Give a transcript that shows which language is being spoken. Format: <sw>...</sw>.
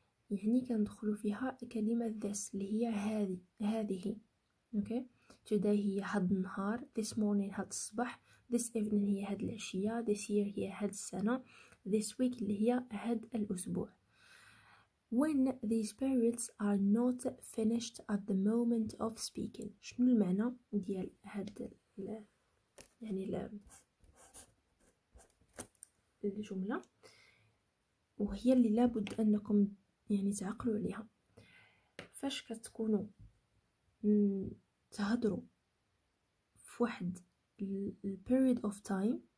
<ar>يعني كندخلوا فيها كلمة this اللي هي هذه. okay, today هي هاد النهار،</ar> <en>this morning</en> <ar>هاد الصباح،</ar> <en>this evening</en> <ar>هي هاد العشية،</ar> <en>this year</en> <ar>هي هاد السنة،</ar> <en>this week</en> <ar>اللي هي هاد الأسبوع.</ar> <en>when these periods are not finished at the moment of speaking.</en> <ar>شنو المعنى ديال هاد يعني الجملة، وهي اللي لابد أنكم يعني تعقلوا عليها. فاش كتكونوا تهدروا في واحد الـ</ar> <en>period of time.</en>